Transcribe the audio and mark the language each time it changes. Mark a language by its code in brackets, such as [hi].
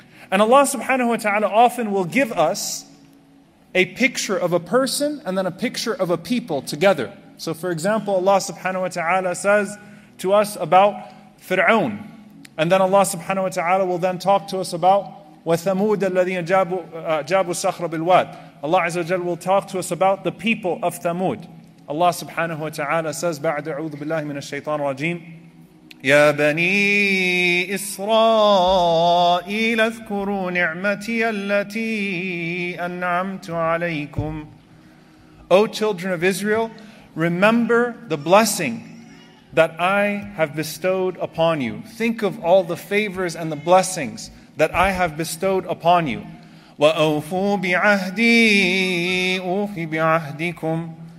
[en] And Allah subhanahu wa ta'ala often will give us a picture of a person and then a picture of a people together. So for example, Allah subhanahu wa ta'ala says to us about Fir'aun. And then Allah subhanahu wa ta'ala will then talk to us about [ar] وَثَمُودَ الَّذِينَ جَابُوا السَّخْرَ بِالْوَادِ. [en] Allah Azza wa Jalla will talk to us about the people of Thamud. Allah subhanahu wa ta'ala says, [ar] بَعْدَ عُوذُ بِاللَّهِ مِنَ الشَّيْطَانِ الرَّجِيمِ يَا بَنِي إِسْرَائِيلَ اذْكُرُوا نِعْمَتِيَ الَّتِي أَنْعَمْتُ عَلَيْكُمْ. [en] O children of Israel, remember the blessing that I have bestowed upon you. Think of all the favors and the blessings that I have bestowed upon you. [ar] وَأَوْفُوا بِعَهْدِي أُوفِ بِعَهْدِكُمْ.